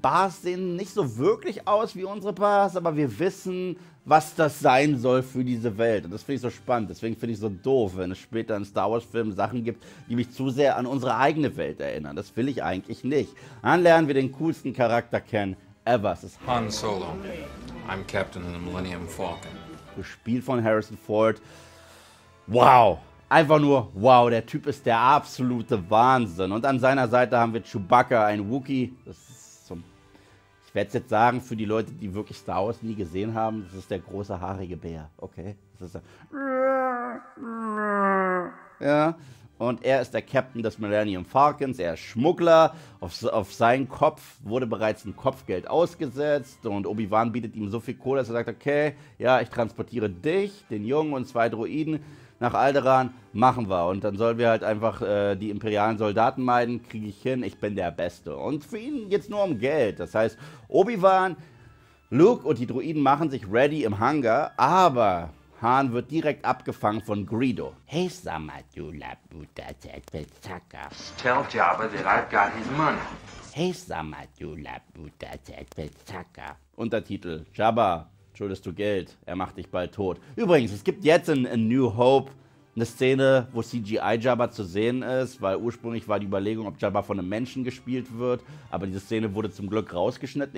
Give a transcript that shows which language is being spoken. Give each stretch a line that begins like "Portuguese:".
German: Bars sehen nicht so wirklich aus wie unsere Bars, aber wir wissen, was das sein soll für diese Welt. Und das finde ich so spannend. Deswegen finde ich so doof, wenn es später in Star Wars Filmen Sachen gibt, die mich zu sehr an unsere eigene Welt erinnern. Das will ich eigentlich nicht. Dann lernen wir den coolsten Charakter kennen ever. Es ist Han Solo.
English: I'm Captain in the Millennium Falcon.
German: Gespielt von Harrison Ford. Wow. Einfach nur, wow, der Typ ist der absolute Wahnsinn. Und an seiner Seite haben wir Chewbacca, ein Wookie. Das ist so, ich werde es jetzt sagen, für die Leute, die wirklich Star Wars nie gesehen haben, das ist der große, haarige Bär, okay? Das ist so. Ja, und er ist der Captain des Millennium Falcons, er ist Schmuggler. Auf seinen Kopf wurde bereits ein Kopfgeld ausgesetzt und Obi-Wan bietet ihm so viel Kohle, dass er sagt, okay, ja, ich transportiere dich, den Jungen und zwei Droiden nach Alderaan, machen wir. Und dann sollen wir halt einfach die imperialen Soldaten meiden, kriege ich hin, ich bin der Beste. Und für ihn geht's nur um Geld. Das heißt, Obi-Wan, Luke und die Droiden machen sich ready im Hangar, aber Han wird direkt abgefangen von Greedo. Hey, Samadula, Buddha, Zetbezaka.
English: Tell Jabba that I've got his money. Hey, Samadula, Buddha, Zetbezaka.
German: Untertitel: Jabba, schuldest du Geld, er macht dich bald tot. Übrigens, es gibt jetzt in New Hope eine Szene, wo CGI Jabba zu sehen ist, weil ursprünglich war die Überlegung, ob Jabba von einem Menschen gespielt wird, aber diese Szene wurde zum Glück rausgeschnitten.